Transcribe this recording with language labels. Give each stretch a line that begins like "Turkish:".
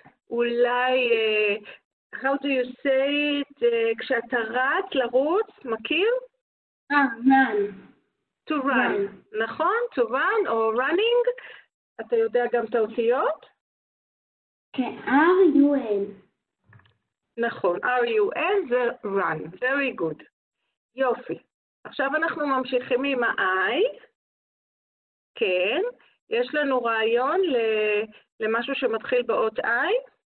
Hebrew: אולי,
English: how do you say it,
Hebrew: כשאתה רץ, לרוץ, מכיר?
English: Run. To run.
Hebrew: נכון?
English: To run
Hebrew: או
English: running?
Hebrew: אתה יודע גם את האותיות?
English: R-U-N. נכון, R-U-N
Hebrew: זה
English: run, very good,
Hebrew: יופי. עכשיו אנחנו ממשיכים עם ה-
English: I,
Hebrew: כן, יש לנו רעיון למשהו שמתחיל באות I?